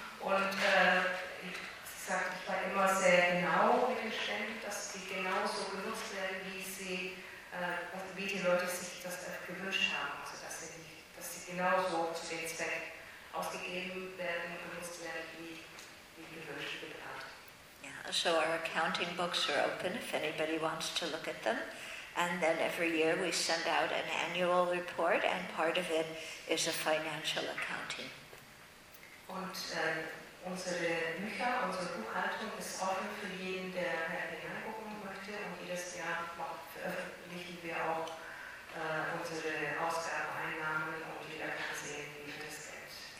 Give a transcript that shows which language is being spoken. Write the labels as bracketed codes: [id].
[de] Und ich war immer sehr genau mit den Spenden, dass die genauso genutzt werden, wie die Leute sich das gewünscht haben. Also dass sie genauso zu dem Zweck ausgegeben werden, genutzt werden, wie gewünscht wird. [en] Yeah, so our accounting books are open if anybody wants to look at them. And then every year we send out an annual report, and part of it is a financial accounting. [de] Und unsere Bücher, unsere Buchhaltung ist offen für jeden, der gerne angucken möchte. Und jedes Jahr veröffentlichen wir auch unsere Ausgabeneinnahmen, und jeder kann sehen, wie viel das Geld.